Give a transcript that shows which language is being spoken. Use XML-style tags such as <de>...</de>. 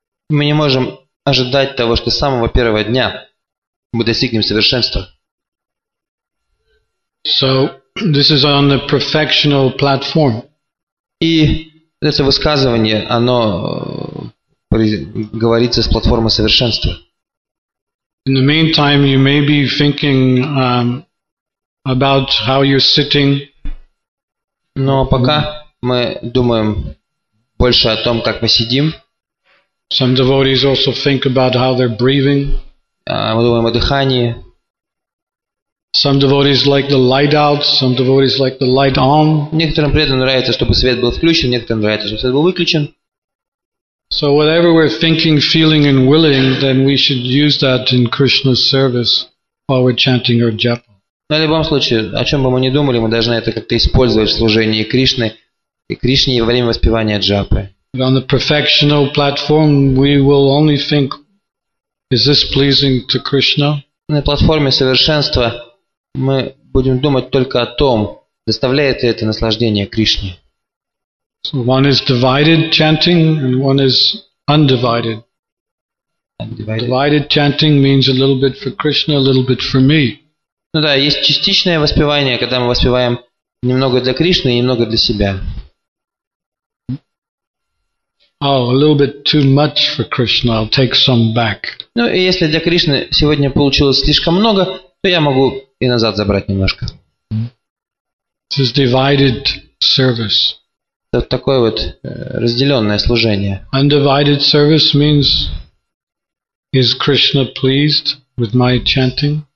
<ru>Мы не можем ожидать того, что с самого первого дня мы достигнем совершенства.</ru> <en>So this is on the perfectional platform.</en> <ru>И это высказывание, оно говорится с платформы совершенства.</ru> <en>In the meantime, you may be thinking about how you're sitting.</en> <ru>Но пока мы думаем больше о том, как мы сидим.</ru> <en>Some devotees also think about how they're breathing.</en> <ru>Мы думаем о дыхании.</ru> <en>Some devotees like the light out, some devotees like the light on.</en> <ru>Некоторым преданным нравится, чтобы свет был включен, некоторым нравится, чтобы свет был выключен.</ru> <en>So whatever we're thinking, feeling and willing, then we should use that in Krishna's service while we're chanting our japa.</en> <ru>Но в любом случае, о чем бы мы ни думали, мы должны это как-то использовать в служении Кришне и Кришне во время воспевания джапы.</ru> <en>On the perfectional platform we will only think, is this pleasing to Krishna?</en> <ru>На платформе совершенства мы будем думать только о том, доставляет ли это наслаждение Кришне.</ru> <en>So one is divided chanting and one is undivided. Divided chanting means a little bit for Krishna, a little bit for me.</en> <ru>Ну да, есть частичное воспевание, когда мы воспеваем немного для Кришны и немного для себя.</ru> <en>Oh, a little bit too much for Krishna. I'll take some back.</en> <ru>Ну и если для Кришны сегодня получилось слишком много, то я могу и назад забрать немножко.</ru> <en>This is divided service.</en> <ru>Это такое вот разделенное служение.</ru> <en>Undivided service means is Krishna pleased with my chanting?</en>